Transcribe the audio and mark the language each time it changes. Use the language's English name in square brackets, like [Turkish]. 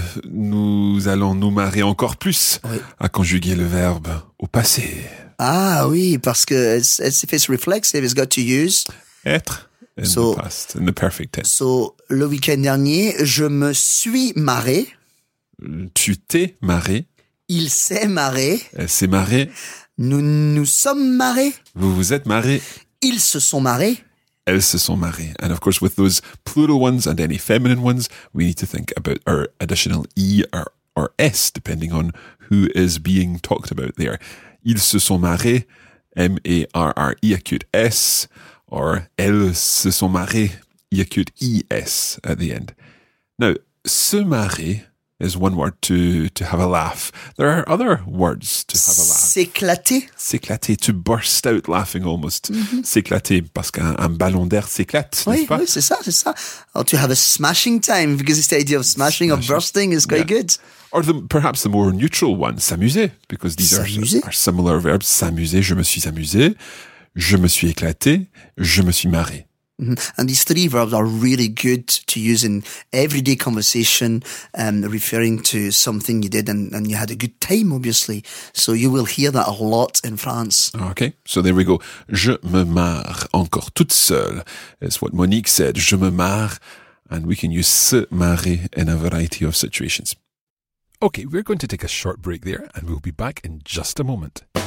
[French] Nous allons nous marrer encore plus à conjuguer le verbe au passé. Ah oui, parce que [English] if it's reflexive, it's got to use... Être in the past, in the perfect tense. [French] So, le week-end dernier, je me suis marré. Tu t'es marré. Il s'est marré. Elle s'est marrée. Nous nous sommes marrés. Vous vous êtes marrés. Ils se sont marrés. Elles se sont marrées. [English] And of course, with those plural ones and any feminine ones, we need to think about our additional E or S, depending on who is being talked about there. [French] Ils se sont marrés, M-A-R-R-E, [English] acute S, or [French] elles se sont marrées, il n'y a que ES [English] at the end. Now, se marrer is one word to have a laugh. There are other words to have a laugh. [French] S'éclater. [English] S'éclater, to burst out laughing almost. Mm-hmm. [French] S'éclater, parce qu'un ballon d'air s'éclate, oui, n'est-ce pas? Oui, c'est ça, c'est ça. [English] Or to have a smashing time, because it's the idea of smashing or bursting is quite good. Or perhaps the more neutral one, s'amuser, because these are similar verbs. [French] S'amuser, je me suis amusé. Je me suis éclaté. Je me suis marré. [English] And these three verbs are really good to use in everyday conversation, referring to something you did and you had a good time, obviously. So you will hear that a lot in France. Okay, so there we go. [French] Je me marre encore toute seule. [English] It's what Monique said. [French] Je me marre. [English] And we can use se marrer in a variety of situations. Okay, we're going to take a short break there and we'll be back in just a moment.